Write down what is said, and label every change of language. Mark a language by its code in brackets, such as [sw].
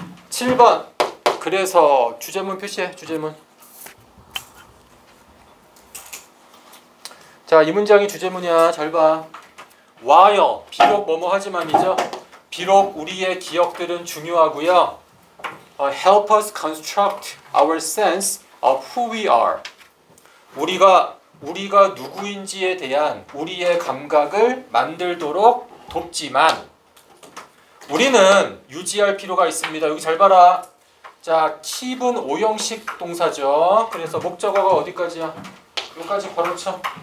[ko] 7번 그래서 주제문 표시해. 주제문. 자 이 문장이 주제문이야. 잘 봐. While 비록 뭐뭐 하지만이죠. 비록 우리의 기억들은 중요하고요. [en] Help us construct our sense of who we are. [ko] 우리가 누구인지에 대한 우리의 감각을 만들도록 돕지만 우리는 유지할 필요가 있습니다. 여기 잘 봐라. 자, keep은 오형식 동사죠. 그래서 목적어가 어디까지야? 여기까지 바로 쳐.